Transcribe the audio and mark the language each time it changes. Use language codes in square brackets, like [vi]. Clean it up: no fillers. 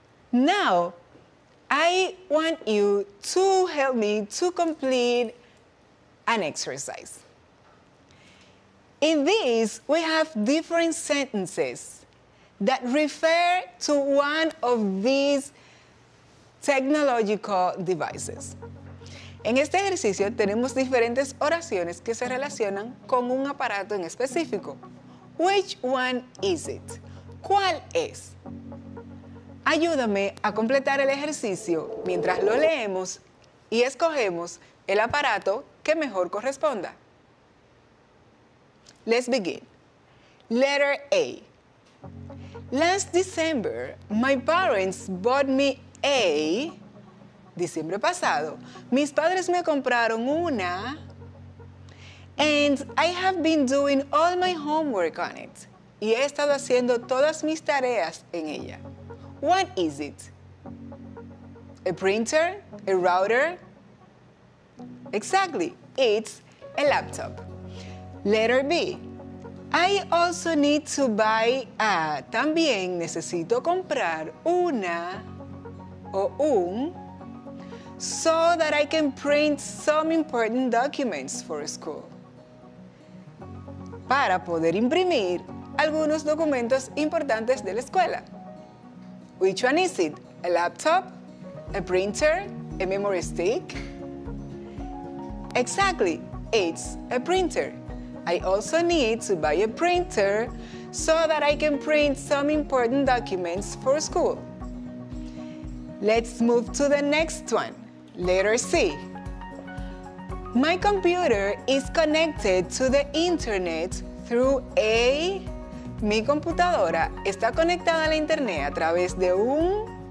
[en] Now, I want you to help me to complete an exercise. In this, we have different sentences that refer to one of these technological devices. [es] En este ejercicio tenemos diferentes oraciones que se relacionan con un aparato en específico. [en] Which one is it? [es] ¿Cuál es? Ayúdame a completar el ejercicio mientras lo leemos y escogemos el aparato que mejor corresponda. [en] Let's begin. Letter A. Last December, my parents bought me a... [es] Diciembre pasado, mis padres me compraron una... [en] And I have been doing all my homework on it. [es] Y he estado haciendo todas mis tareas en ella. [en] What is it? A printer? A router? Exactly, it's a laptop. Letter B. I also need to buy a... [es] También necesito comprar una o un... [en] So that I can print some important documents for school. [es] Para poder imprimir algunos documentos importantes de la escuela. [en] Which one is it? A laptop? A printer? A memory stick? Exactly, it's a printer. I also need to buy a printer so that I can print some important documents for school. Let's move to the next one. Letter C. My computer is connected to the internet through a... [es] Mi computadora está conectada a la internet a través de un...